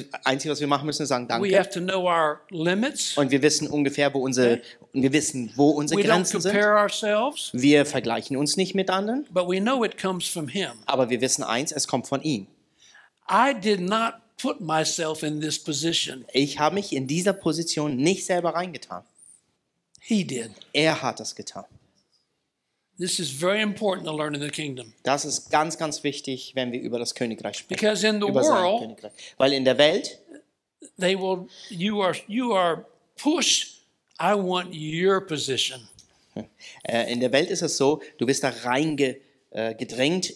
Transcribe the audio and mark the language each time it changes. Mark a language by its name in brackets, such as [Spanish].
[German] Einzige, was wir machen müssen, ist sagen Danke. [English] We have to know our limits. [German] Und wir wissen ungefähr, wo unsere Grenzen sind. [English] We don't compare ourselves. [German] Wir vergleichen uns nicht mit anderen. [English] But we know it comes from him. [German] Aber wir wissen eins, es kommt von ihm. [English] I did not put myself in this position. [German] Ich habe mich in dieser Position nicht selber reingetan. [English] He did. [German] Er hat das getan. [English] This is very important to learn in the kingdom. [German] Das ist ganz, ganz wichtig, wenn wir über das Königreich sprechen. [English] Because in the world, [German] weil in der Welt, [English] they will, you are pushed. I want your position. [German] In der Welt ist es so, du wirst da reingedrängt.